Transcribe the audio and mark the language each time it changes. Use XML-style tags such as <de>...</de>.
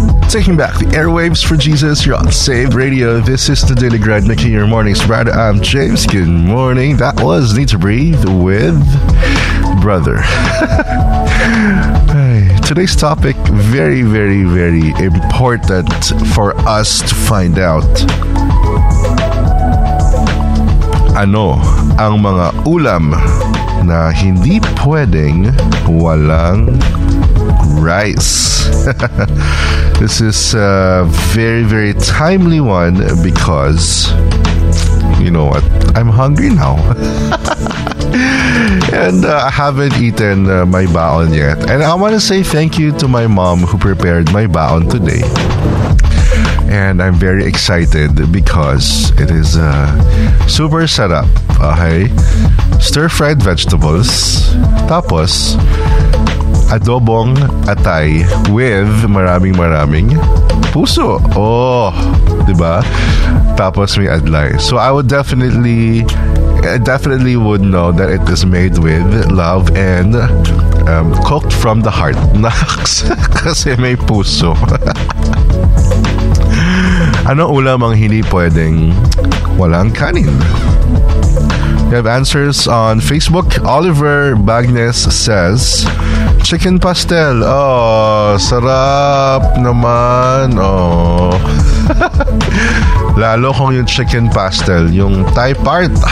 <en>Taking back the airwaves for Jesus, you're on Save Radio. This is the Daily Grind, making your mornings bright. I'm James. Good morning. That was Need to Breathe with Brother. Today's topic, very, very, very important for us to find out.</en> <tl>Ano ang mga ulam na hindi pwedeng walang rice?</tl> <en>This is a very, very timely one because, you know what, I'm hungry now. And I haven't eaten my baon yet. And I want to say thank you to my mom who prepared my baon today. And I'm very excited because it is super sarap.</en> <tl>Okay? Stir-fried vegetables. Tapos, adobong atay with maraming puso. Oh, diba? Tapos may adlay.</tl> <en>So I would definitely would know that it is made with love and cooked from the heart.</en> <tl>Kasi may puso. Ano ulam ang hindi pwedeng walang kanin?</tl> <en>We have answers on Facebook. Oliver Bagnes says, chicken pastel.</en> <tl>Oh, sarap naman. Oh. Lalo kung yung chicken pastel, yung Thai part.</tl>